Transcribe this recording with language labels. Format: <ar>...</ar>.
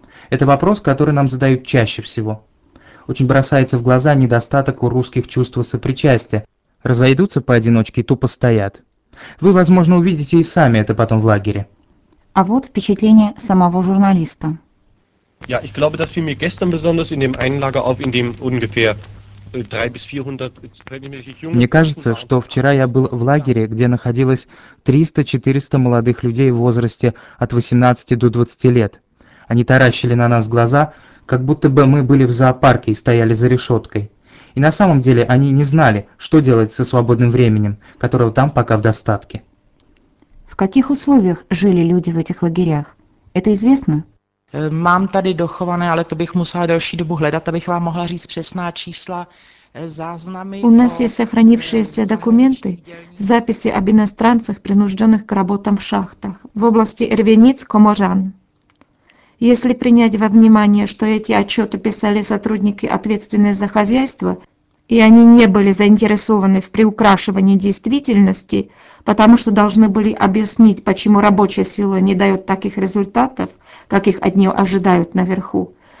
<ru>Это вопрос, который нам задают чаще всего. Очень бросается в глаза недостаток у русских чувства сопричастия. Разойдутся поодиночке и тупо стоят. Вы, возможно, увидите и сами это потом в лагере. А вот впечатление самого журналиста.</ru> <de>Ja, ich glaube, dass fiel mir gestern besonders in dem einen Lager auf, in dem ungefähr 300-400...</de> <ru>Мне кажется, что вчера я был в лагере, где находилось 300-400 молодых людей в возрасте от 18 до 20 лет. Они таращили на нас глаза, как будто бы мы были в зоопарке и стояли за решеткой. И на самом деле они не знали, что делать со свободным временем, которого там пока в достатке. В каких условиях жили люди в этих лагерях? Это известно?</ru> <cs>Mám tady dochované, ale to bych musela delší dobu hledat, abych vám mohla říct přesná čísla záznamy.</cs> <ru>У нас есть сохранившиеся документы, записи об иностранцах, принужденных к работам в шахтах в области Эрвениц-Коможан. Если принять во внимание, что эти отчеты писали сотрудники, ответственные за хозяйство, и они не были заинтересованы в приукрашивании действительности, потому что должны были объяснить, почему рабочая сила не дает таких результатов, как их от нее ожидают наверху.</ru>